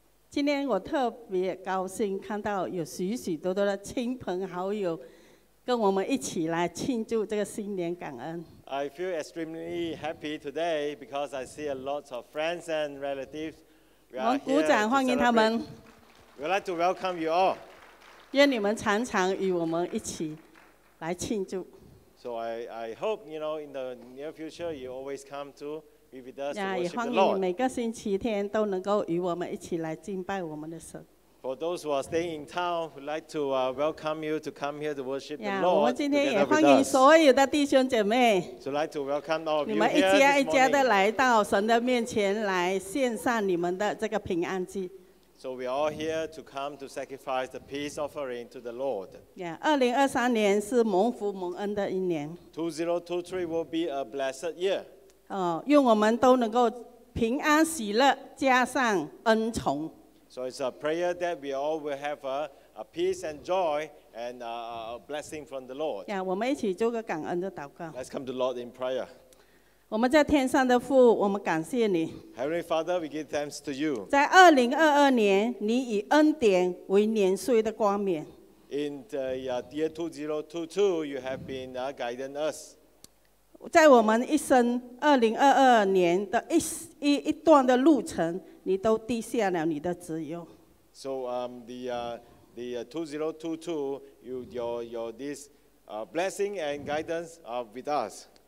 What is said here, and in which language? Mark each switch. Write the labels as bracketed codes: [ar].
[zh] 今天我特别高兴看到有许许多多的亲朋好友跟我们一起来庆祝这个新年感恩 [en] I feel extremely happy today because I see a lot of friends and relatives [zh] We are 我们鼓掌欢迎他们 [en] We'd like to welcome you all [zh] 愿你们常常与我们一起来庆祝 [en] So I hope, you know, in the near future, you always come to be with us yeah, to worship the Lord. For those who are staying in town, we'd like to welcome you to come here to worship the Lord together with us. So we'd like to welcome all of you here this morning. [zh] 你们一家一家的来到神的面前来献上你们的这个平安祭。 [en] So we are all here to come to sacrifice the peace offering to the Lord. [zh] Yeah, 2023年是蒙福蒙恩的一年。 [en] 2023 will be a blessed year. [zh] 愿我们都能够平安喜乐，加上恩宠。 [en] So it's a prayer that we all will have a peace and joy and a blessing from the Lord. [zh] Yeah, 我们一起做个感恩的祷告。 [en] Let's come to the Lord in prayer. [zh] 我们在天上的父，我们感谢你。 [en] Heavenly Father, we give thanks to you. [zh] 在2022年，你以恩典为年岁的冠冕。 [en] In the year 2022, you have been guiding us. [zh] 在我们一生2022年的一段的路程，你都滴下了你的旨意。 [en] So the 2022, your this blessing and guidance are with us.